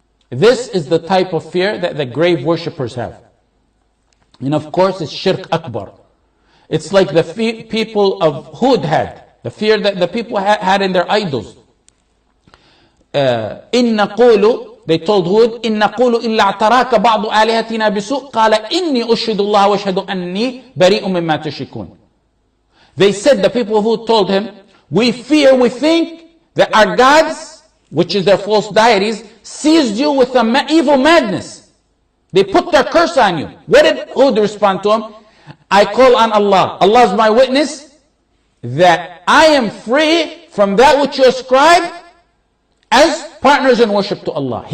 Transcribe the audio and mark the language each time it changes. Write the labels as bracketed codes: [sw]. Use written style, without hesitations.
[en] This is the type of fear that the grave worshippers have. And of course, it's shirk akbar. It's like the people of Hud had, the fear that the people had in their idols. [ar] إِنَّ قُولُ [en] They told Hud, [ar] إِن نَقُولُ إِلَّا اَعْتَرَاكَ بَعْضُ آلِهَتِنَا بِسُؤْ قَالَ إِنِّي أُشْهِدُ اللَّهَ وَشْهَدُ أَنِّي بَرِيءٌ مِمَّا تُشْرِكُونَ. [en] They said, the people of Hud told him, we fear, we think that our gods, which is their false deities, seized you with an evil madness. They put their curse on you. What did Hud respond to him? I call on Allah. Allah is my witness that I am free from that which you ascribe as partners in worship to Allah.